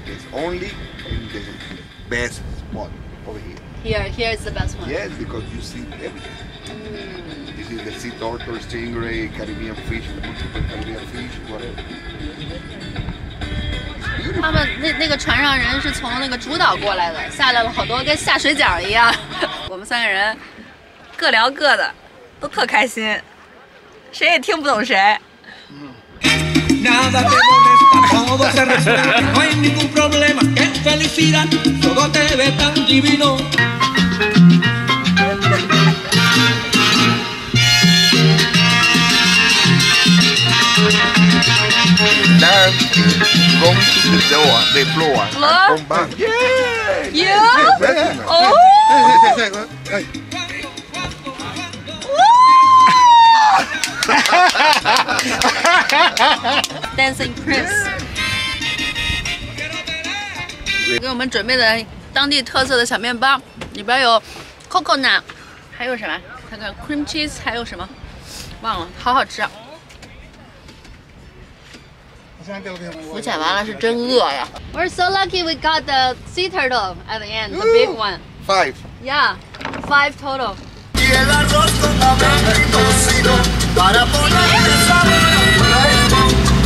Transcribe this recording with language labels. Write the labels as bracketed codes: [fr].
[en] Here is the best one. Yes, because you see everything. This is the sea turtle, stingray, Caribbean fish, multiple Caribbean fish, whatever. [zh] 他们那个船上人是从那个主岛过来的，下来了好多跟下水饺一样。我们三个人各聊各的，都特开心，谁也听不懂谁。 [es] Nada te molesta, todo se respeta, no hay ningún problema, qué felicidad, todo te ve tan divino. [en] Now, going to the door, the floor, come back. Yeah! Yeah! Yeah. Oh! [zh] Dancing Prince 给我们准备的当地特色的小面包，里边有 coconut， 还有什么？看看 cream cheese， 还有什么？忘了，好好吃。浮潜完了是真饿呀。 [en] We're so lucky we got the sea turtle at the end, the big one. Five. Yeah, five total. [es] El arroz con habanero y tocino para poner el sabor a un plato.